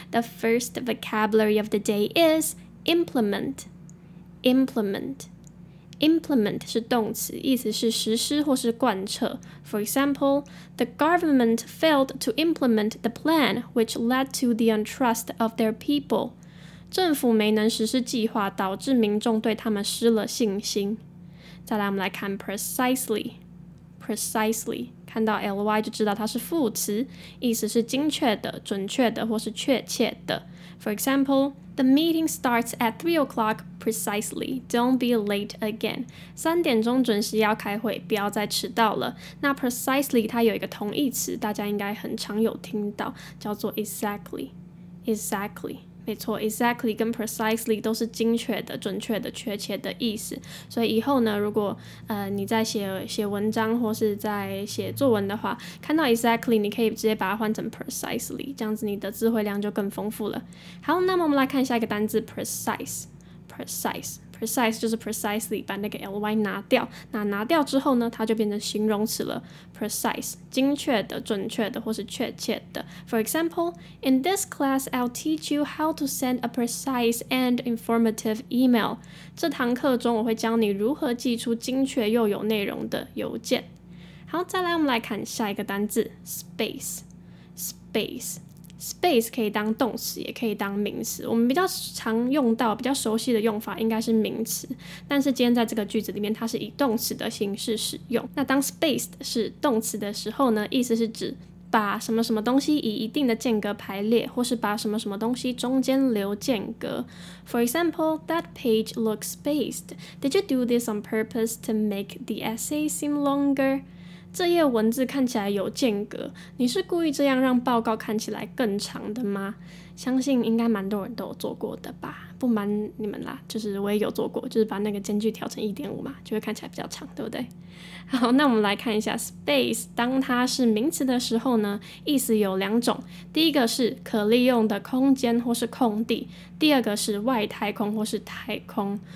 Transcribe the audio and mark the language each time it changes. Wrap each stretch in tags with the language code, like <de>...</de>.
<en>The first vocabulary of the day is implementimplement implement</en> <zh>是动词，意思是实施或是贯彻。</zh> <en>For example, the government failed to implement the plan which led to the untrust of their people.</en> <zh>政府没能实施计划，导致民众对他们失了信心。再来我们来看 precisely precisely， 看到 ly 就知道它是副词，意思是精确的、准确的或是确切的。</zh> <en>For example, the meeting starts at 3 o'clock precisely. Don't be late again.</en> <zh>三点钟准时要开会，不要再迟到了。那 precisely 它有一个同义词，大家应该很常有听到，叫做 exactly exactly。没错， exactly 跟 precisely 都是精确的、准确的、确切的意思。所以以后呢，如果你在写文章或是在写作文的话，看到 exactly 你可以直接把它换成 precisely， 这样子你的词汇量就更丰富了。好，那么我们来看下一个单字 precise precise precise， 就是 precisely 把那个 ly 拿掉，那拿掉之后呢，它就变成形容词了。 precise 精确的、准确的或是确切的。</zh> <en>For example, in this class I'll teach you how to send a precise and informative email.</en> <zh>这堂课中我会教你如何寄出精确又有内容的邮件。好，再来我们来看下一个单字 space space。 Space 可以当动词也可以当名词，我们比较常用到比较熟悉的用法应该是名词，但是今天在这个句子里面它是以动词的形式使用。那当 spaced 是动词的时候呢，意思是指把什么什么东西以一定的间隔排列，或是把什么什么东西中间留间隔。</zh> <en>For example, that page looks spaced. Did you do this on purpose to make the essay seem longer?</en> <zh>这页文字看起来有间隔，你是故意这样让报告看起来更长的吗？相信应该蛮多人都有做过的吧，不瞒你们啦，就是我也有做过，就是把那个间距调成 1.5 嘛，就会看起来比较长，对不对？好，那我们来看一下 space 当它是名词的时候呢，意思有两种，第一个是可利用的空间或是空地，第二个是外太空或是太空。</zh>